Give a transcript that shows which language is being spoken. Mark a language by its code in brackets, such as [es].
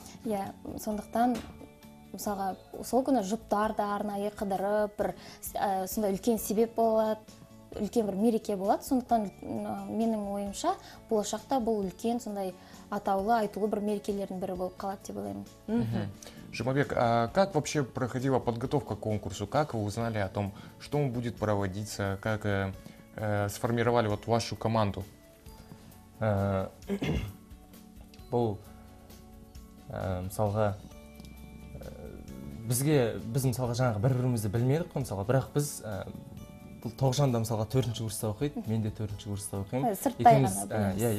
[kk] Иә, сондықтан мысалға сол күні жұптарды арнайы қыдырып, бір сондай үлкен себеп болады, үлкен бір мереке болады. Сондықтан менің ойымша болашақта бұл үлкен сондай атаулы, айтулы бір мерекелердің бірі болып қалады деп ойлаймын. [ru] Жұмабек, а как вообще проходила подготовка к конкурсу? Как вы узнали о том, что он будет проводиться? Как сформировали вот вашу команду? [kk] Бұл мысалға бізге біз мысалға жаңағы бір-бірімізді білмедік қой мысалға, бірақ біз бұл тоғжан да мысалға 4-ші курста оқиды, мен де 4-ші курста оқимын. Екеуміз